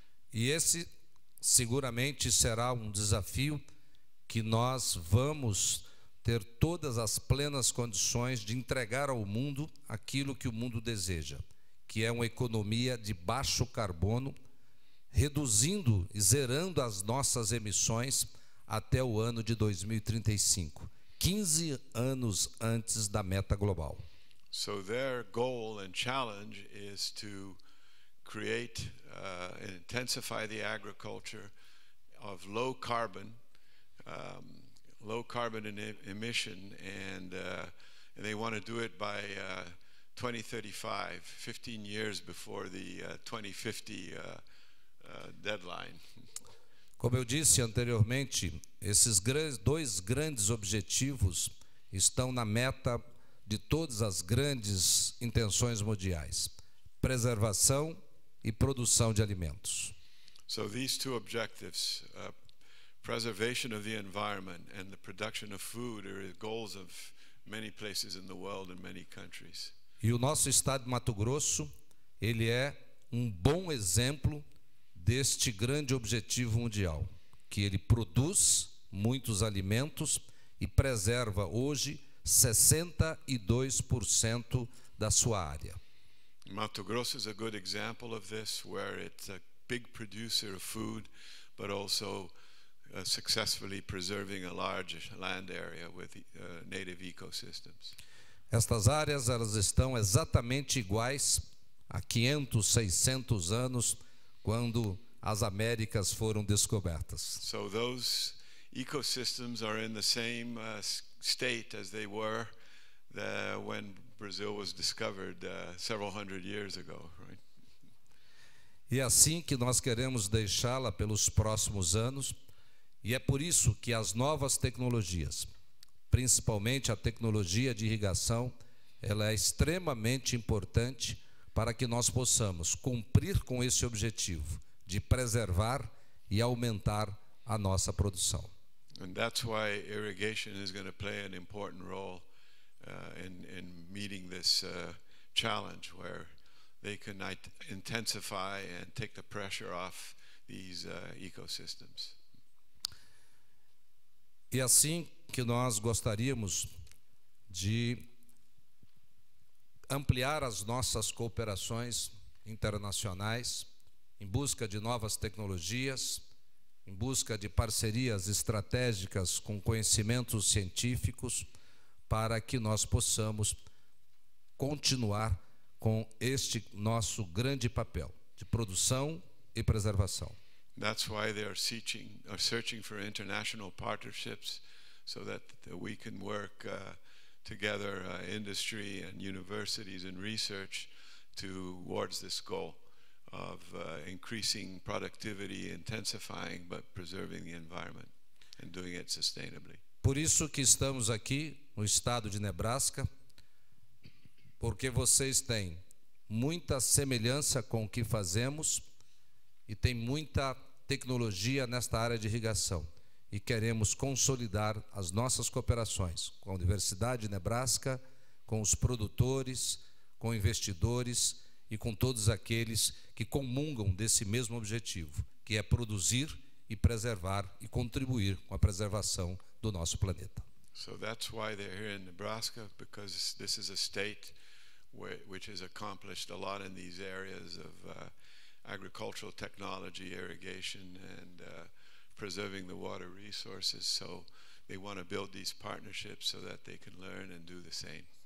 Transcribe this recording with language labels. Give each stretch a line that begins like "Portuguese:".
Portuguese: E esse seguramente será um desafio que nós vamos ter todas as plenas condições de entregar ao mundo aquilo que o mundo deseja, que é uma economia de baixo carbono, reduzindo e zerando as nossas emissões até o ano de 2035, 15 anos antes da meta global.
English: So their goal and challenge is to create and intensify the agriculture of low carbon, low carbon in emission, and they want to do it by 2035, 15 years before the 2050 deadline.
Portuguese: Como eu disse anteriormente, esses dois grandes objetivos estão na meta de todas as grandes intenções mundiais: preservação e produção de alimentos.
English: So these two objectives, preservation of the environment and the production of food, are goals of many places in the world and many countries.
Portuguese: E o nosso estado de Mato Grosso, ele é um bom exemplo deste grande objetivo mundial, que ele produz muitos alimentos e preserva hoje 62% da sua área.
English: Mato Grosso is a good example of this, where it's a big producer of food, but also successfully preserving a large land area with native ecosystems.
Portuguese: Estas áreas, elas estão exatamente iguais a 500, 600 anos quando as Américas foram descobertas.
English: So those ecosystems are in the same state as they were when Brazil was discovered several hundred years ago, right?
Portuguese: E assim que nós queremos deixá-la pelos próximos anos, e é por isso que as novas tecnologias, principalmente a tecnologia de irrigação, ela é extremamente importante para que nós possamos cumprir com esse objetivo de preservar e aumentar a nossa produção.
English: And that's why irrigation is going to play an important role in meeting this challenge, where they can intensify and take the pressure off these ecosystems.
Portuguese: E assim que nós gostaríamos de ampliar as nossas cooperações internacionais em busca de novas tecnologias, em busca de parcerias estratégicas com conhecimentos científicos, para que nós possamos continuar com este nosso grande papel de produção e preservação.
English: That's why they are searching for international partnerships, so that we can work together, industry and universities and research, towards this goal of increasing productivity, intensifying but preserving the environment and doing it sustainably.
Portuguese: Por isso que estamos aqui no estado de Nebraska, porque vocês têm muita semelhança com o que fazemos e tem muita tecnologia nesta área de irrigação, e queremos consolidar as nossas cooperações com a Universidade de Nebraska, com os produtores, com investidores e com todos aqueles que comungam desse mesmo objetivo, que é produzir e preservar e contribuir com a preservação do nosso planeta.
English: So that's why they're here in Nebraska, because this is a state which has accomplished a lot in these areas of agricultural technology, irrigation, and preserving the water resources. So they want to build these partnerships so that they can learn and do the same.